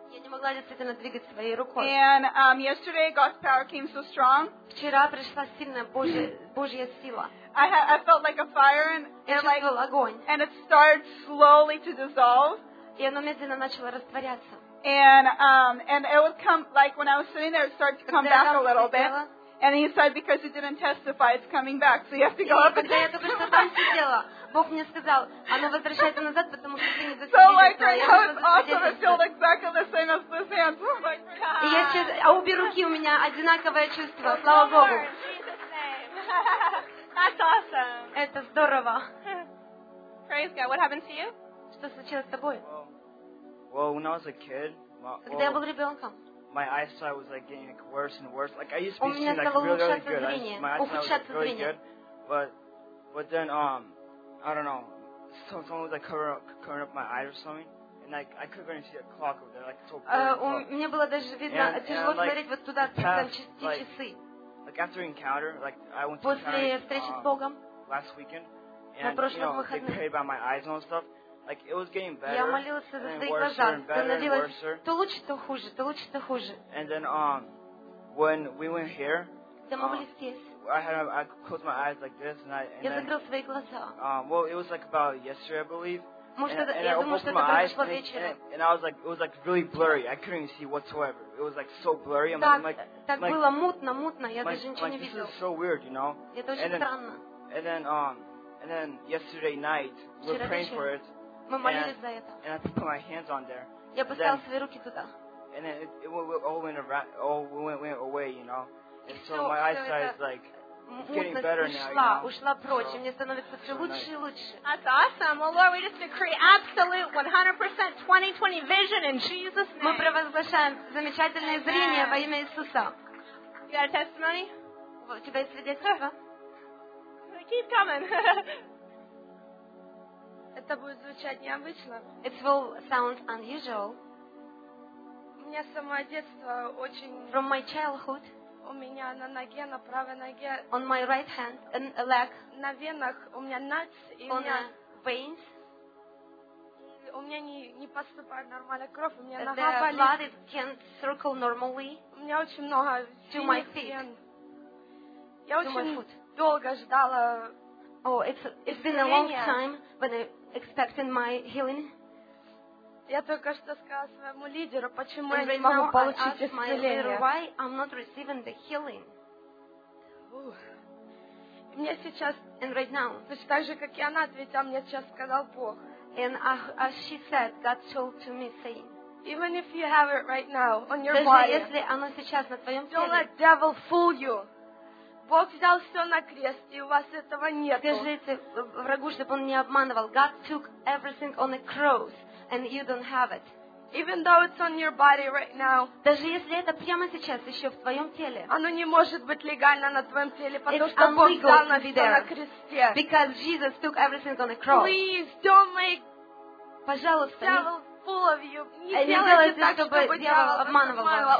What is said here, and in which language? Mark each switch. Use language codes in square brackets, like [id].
[ru] Я не могла действительно двигать своей рукой. [en] And yesterday God's power came so strong. [ru] Вчера пришла сильная Божья сила. [en] I felt like a fire and [ru] like огонь. [en] And it started slowly to dissolve. [ru] И оно медленно начало растворяться. [en] And it would come like when I was sitting there, it started to come back a little bit. And he said, because you didn't testify, it's coming back, so you have to go up again. [ru] Я только что там сидела. Бог мне сказал, оно возвращается назад, потому что ты не засвидетельствовала. [en] So like right now, it's awesome. It feels exactly the same as this hand. Oh my God. [ru] И я сейчас, а обе руки у меня одинаковое чувство. Слава Богу. [en] That's awesome. [ru] Это здорово. [en] Praise God. What happened to you? [ru] Что случилось с тобой? [en] Well, when I was a kid, my eyesight was like getting like worse and worse. Like I used to be seeing like really, really good. My eyesight was like, really good, but then I don't know, someone was like covering up my eyes or something, and like I couldn't even see a clock over there, like so bright. [ru] Мне было даже видно тяжело смотреть вот туда, там часы. [en] Like after encounter, like I went to encounter last weekend, and you know they prayed about my eyes and all stuff. Like it was getting better. [ru] Я молился за свои глаза. Становилось то лучше, то хуже, то лучше, то хуже. [en] And then when we went here, I closed my eyes like this, and [ru] я закрыл свои глаза. [en] Well, it was like about yesterday, I believe. [ru] Может, я думаю, что это произошло вечером. [en] And I was like, it was like really blurry. I couldn't even see whatsoever. It was like so blurry. I'm like, [ru] так было мутно. Я даже ничего не видел. [en] This is so weird, you know. [ru] Это очень странно. [en] And then yesterday night, we were praying for it. [ru] Мы молились за это. [en] And I put my hands on there. [ru] Я поставил свои руки туда. [en] And then it all went away, you know. And so my eyesight is like getting better now. [ru] Ушла прочь, мне становится все лучше и лучше. [en] That's awesome. Well, Lord, we just decree absolute 100% 20/20 vision in Jesus' name. [ru] Мы провозглашаем замечательное зрение во имя Иисуса. [en] You got a testimony? [ru] У тебя есть свидетельство? [en] Keep coming. [ru] Это будет звучать необычно. [en] It will sound unusual. [ru] У меня с самого детства очень. [en] From my childhood. [ru] У меня на ноге, на правой ноге. [en] On my right hand, in a leg. [ru] На венах у меня [en] nuts [ru] и у меня [en] veins. [ru] И у меня не поступает нормально кровь, у меня нога болит. [en] The blood it can't circle normally. [ru] У меня очень много. [en] To my feet. [ru] Я очень долго ждала. [en] Oh, it's been a long time when I expected my healing. [ru] Я только что сказала своему лидеру, почему я не могу получить исцеление. [en] Leader, why I'm not receiving the healing? [ru] Мне сейчас, [en] and right now, [ru] точно так же, как и она ответила, мне сейчас сказал Бог. [en] And as she said, God told to me, saying, even if you have it right now on your body, [ru] если оно сейчас на твоем теле, [en] don't let devil fool you. [ru] Бог взял все на крест, и у вас этого нету. Скажите врагу, чтобы он не обманывал. [en] God took everything on a cross, and you don't have it. Even though it's on your body right now. [ru] Даже если это прямо сейчас еще в твоем теле. Оно не может быть легально на твоем теле, потому что Бог взял на все на кресте. [en] Because Jesus took everything on the cross. Please don't make. [ru] Пожалуйста. [en] Devil full of you. [ru] Не делайте так, чтобы дьявол обманывал вас.